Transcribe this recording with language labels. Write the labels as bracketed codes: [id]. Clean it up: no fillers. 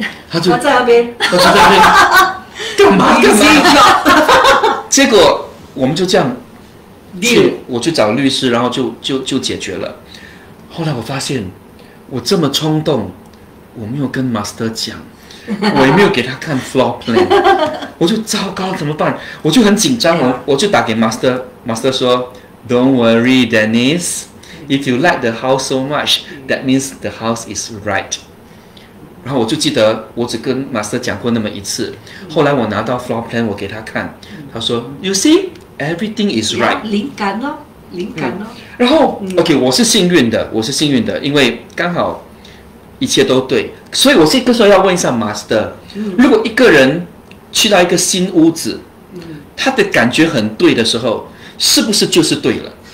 [zh] 他就在那边干嘛结果我们就这样我去找律师，然后就解决了。后来我发现我这么冲动，我没有跟 master 讲，我也没有给他看 floor plan， 我就糟糕怎么办，我就很紧张。我就打给 master 说 [en] don't worry Dennis，If you like the house so much, that means the house is right. [zh] 然后我就记得我只跟 master 讲过那么一次。后来我拿到 floor plan， 我给他看，他说 ， [en] You see, everything is right. [zh] 灵感咯。然后 ，OK， 我是幸运的，因为刚好一切都对。所以我这个时候要问一下 master， 如果一个人去到一个新屋子，他的感觉很对的时候，是不是就是对了？